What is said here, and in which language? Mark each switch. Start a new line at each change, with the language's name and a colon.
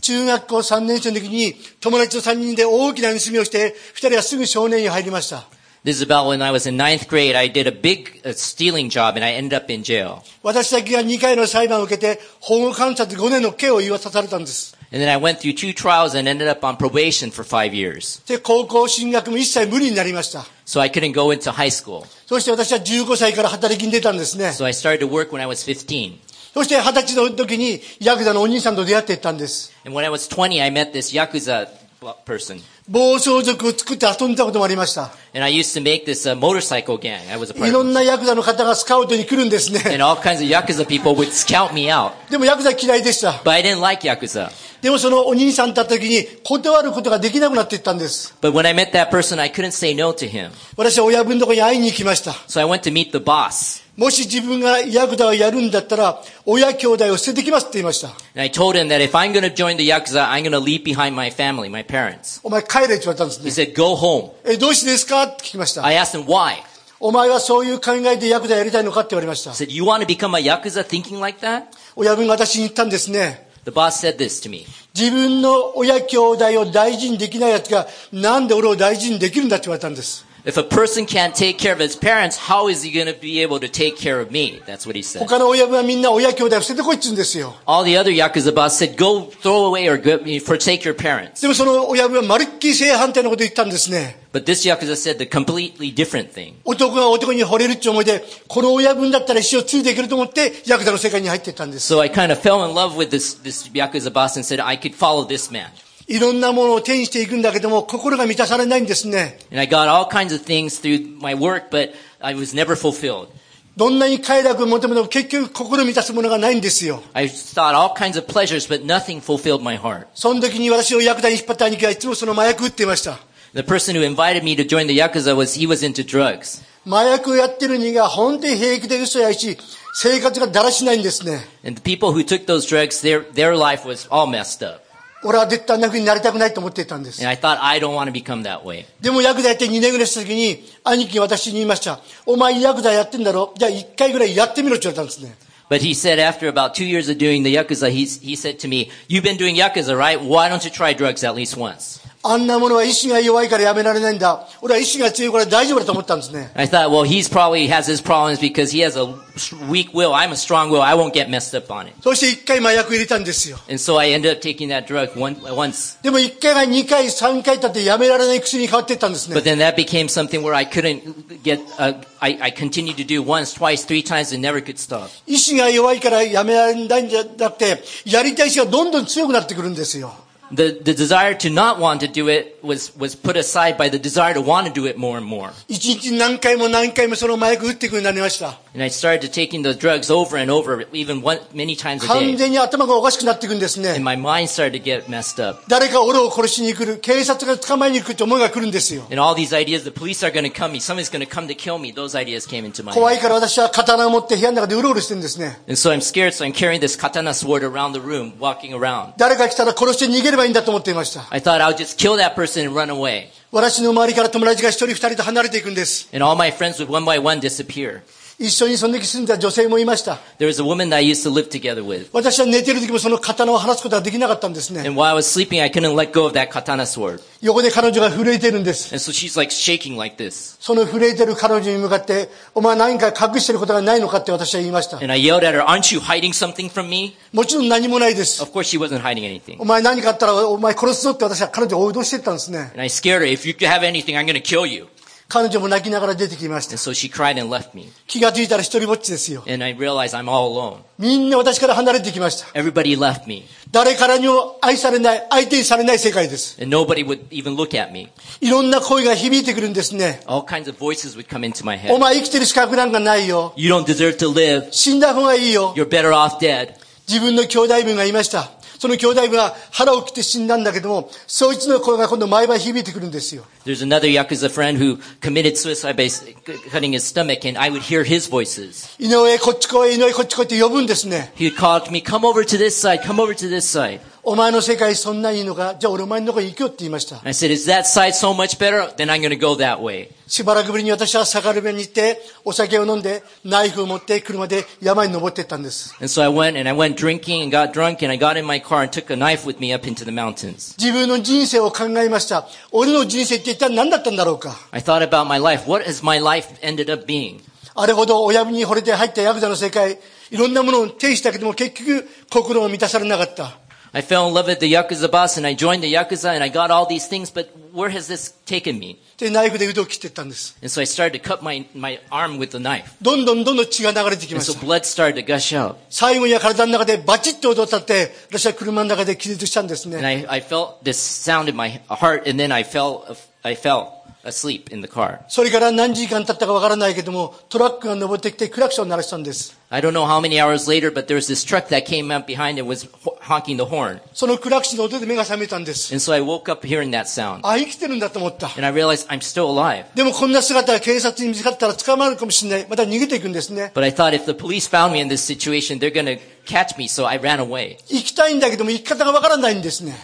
Japanese: 中学校3年生の時に友達と3人で大きな盗みをして、2人はすぐ少年院に入りました。
English: This is about when I was in ninth grade, I did a big stealing job and I ended up in jail.
Japanese: 私だけが2回の裁判を受けて、保護観察5年の刑を言い渡されたんです。
English: And then I went through two trials and ended up on probation for 5 years.
Japanese: で、高校進学も一切無理になりました。
English: So I couldn't go into high school.
Japanese: そして私は15歳から働きに出たんですね。
English: So I started to work when I was 15.
Japanese: そして20歳の時にヤクザのお兄さんと出会っていったんです。
English: And when I was 20, I met this Yakuza person.
Japanese: 暴走族を作って遊んだこともありました。
English: And I used to make this motorcycle gang. I was a part of it.
Japanese: いろんなヤクザの方がスカウトに来るんですね。
English: And all kinds of Yakuza people would scout me out.
Japanese: でもヤクザ嫌いでした。
English: But I didn't like Yakuza.
Japanese: でもそのお兄さんだった時に断ることができなくなっていったんです。
English: But when I met that person, I couldn't say no to him.
Japanese: 私は親分のところに会いに行きました。
English: So I went to meet the boss.
Japanese: もし自分がヤクザをやるんだったら、親兄弟を捨ててきますって言いました。
English: And I told him that if I'm going to join the Yakuza, I'm going to leave behind my family, my parents.
Japanese: お前帰れって言われたんですね。
English: He said, go home.
Japanese: え、どうしてですかって聞きました。
English: I asked him why.
Japanese: お前はそういう考えでヤクザやりたいのかって言われました。
English: He said, you want to become a Yakuza thinking like that?
Japanese: 親分が私に言ったんですね。
English: The boss said this to me.
Japanese: 自分の親兄弟を大事にできないやつがなんで俺を大事にできるんだって言われたんです。
English: If a person can't take care of his parents, how is he going to be able to take care of me? That's what he said.
Japanese: 他の親分はみんな親兄弟を捨ててこいって言うんですよ。
English: All the other Yakuza boss said, go throw away or forsake your parents.
Japanese: でもその親分はまるっきり正反対のことを言ったんですね。
English: But this Yakuza said the completely different thing.
Japanese: 男が男に惚れるって思いで、この親分だったら一生ついていけると思って、ヤクザの世界に入っていったんです。
English: So I kind of fell in love with this Yakuza boss and said, I could follow this man.
Japanese: いろんなものを手にしていくんだけども、心が満たされないんですね。
English: And I got all kinds of things through my work, but I was never fulfilled.
Japanese: どんなに快楽を求めても結局心満たすものがないんですよ。
English: I sought all kinds of pleasures, but nothing fulfilled my heart.
Japanese: その時に私をヤクザに引っ張った兄貴はいつもその麻薬を売っていました。
English: The person who invited me to join the Yakuza was, he was into drugs.
Japanese: 麻薬をやってる人が本当に平気で嘘やいし、生活がだらしないんですね。
English: And the people who took those drugs, their life was all messed up.
Japanese: 俺は絶対あんな風になりたくないと思っていたんです。
English: And I thought, I don't want to become that way.
Japanese: でもヤクザやって2年ぐらいした時に兄貴が私に言いました。お前ヤクザやってんだろ?じゃあ1回ぐらいやってみろって言われたんですね。
English: But he said after about 2 years of doing the Yakuza, he said to me, you've been doing Yakuza, right? Why don't you try drugs at least once?
Japanese: あんなものは意志が弱いからやめられないんだ。俺は意志が強いから大丈夫だと思ったんですね。
English: I thought, well, he's probably has his problems because he has a weak will. I'm a strong will. I won't get messed up on it.
Japanese: そして一回麻薬入れたんですよ。
English: And so I ended up taking that drug once.
Japanese: でも一回が二回、三回経ってやめられない薬に変わっていったんですね。
English: But then that became something where I couldn't get, I continued to do once, twice, three times and never could stop.
Japanese: 意志が弱いからやめられないんじゃなくて、やりたい意志がどんどん強くなってくるんですよ。
English: The desire to not want to do it was put aside by the desire to want to do it more and more.
Japanese: 一日何回も何回もその麻薬を打っていくようになりました。
English: And I started taking the drugs over and over, even one, many times a day.
Japanese: 完全に頭がおかしくなっていくんですね。
English: And my mind started to get messed up.
Japanese: 誰か俺を殺しに来る、警察が捕まえに来るって思いが来るんですよ。
English: And all these ideas, the police are going to come me, somebody's going to come to kill me, those ideas came into my mind.
Japanese: 怖いから私は刀を持って部屋の中でうろうろしてるんですね。
English: And so I'm scared, so I'm carrying this katana sword around the room, walking around.
Japanese: 誰か来たら殺して逃げればいいんだと思っていました。
English: I thought I'll just kill that person and run away.
Japanese: 私の周りから友達が一人二人と離れていくんです。
English: And all my friends would one by one disappear.
Japanese: 一緒にその時住んでた女性もいました。
English: There was a woman that I used to live together with.
Japanese: 私は寝てる時もその刀を離すことができなかったんですね。
English: And while I was sleeping, I couldn't let go of that katana sword.
Japanese: 横で彼女が震えてるんです。
English: And so she's like shaking like this.
Japanese: その震えてる彼女に向かって、お前何か隠してることがないのかって私は言いました。
English: And I yelled at her, aren't you hiding something from me?
Japanese: もちろん何もないです。
English: Of course she wasn't hiding anything.
Japanese: お前何かあったらお前殺すぞって私は彼女を脅してたんですね。
English: And I scared her, if you have anything, I'm gonna kill you.
Japanese: 彼女も泣きながら出てきました。
English: And so she cried and left me.
Japanese: 気がついたら一人ぼっちですよ。
English: And I realized I'm all alone.
Japanese: みんな私から離れてきました。
English: Everybody left me.
Japanese: 誰からにも愛されない、相手にされない世界です。
English: And nobody would even look at me.
Japanese: いろんな声が響いてくるんですね。
English: All kinds of voices would come into my head.
Japanese: お前生きてる資格なんかないよ。
English: You don't deserve to live.
Japanese: 死んだ方がいいよ。
English: You're better off dead.
Japanese: 自分の兄弟分がいました。その兄弟分は腹を切って死んだんだけども、そいつの声が今度毎晩響いてくるんですよ。
English: There's another Yakuza friend who committed suicide by cutting his stomach, and I would hear his voices.
Japanese: 井上こっち来い、井上こっち来いって呼ぶんですね。
English: He called me, come over to this side, come over to this side.
Japanese: お前の世界そんなにいいのか、じゃあ俺お前のところ行くよって言いました。
English: I said, is that side so much better? Then I'm going to go that way.
Japanese: しばらくぶりに私はサカルベに行って、お酒を飲んで、ナイフを持って車で山に登っていったんです。
English: And so I went and I went drinking and got drunk and I got in my car and took a knife with me up into the mountains.
Japanese: 自分の人生を考えました。俺の人生って一体何だったんだろうか。
English: I thought about my life. What has my life ended up being?
Japanese: あれほど親に惚れて入ったヤクザの世界、いろんなものを手にしたけども結局心を満たされなかった。
English: I fell in love with the Yakuza boss and I joined the Yakuza and I got all these things, but where has this taken me?
Japanese: でナイフで腕を切っていったんです。
English: And so I started to cut my arm with the knife.
Japanese: どんどんどんどん血が流れてきました。
English: And so blood started to gush out.
Japanese: 最後には体の中でバチッと音を立て、私は車の中で気絶したんですね。
English: And I felt this sound in my heart and then I fell. Asleep in the car.
Japanese: それから何時間経ったかわからないけども、トラックが登ってきてクラクションを鳴らしたんです。
English: I don't know how many hours later, but there was this truck that came up behind and was honking the horn.
Japanese: そのクラクションの音で目が覚めたんです。
English: And so I woke up hearing that sound.
Japanese: あ、生きてるんだと思った。
English: And I realized I'm still alive.
Japanese: でもこんな姿は警察に見つかったら捕まるかもしれない。また逃げていくんですね。
English: But I thought if the police found me in this situation, they're gonna catch me, so I ran away.
Japanese: 生きたいんだけども生き方がわからないんですね。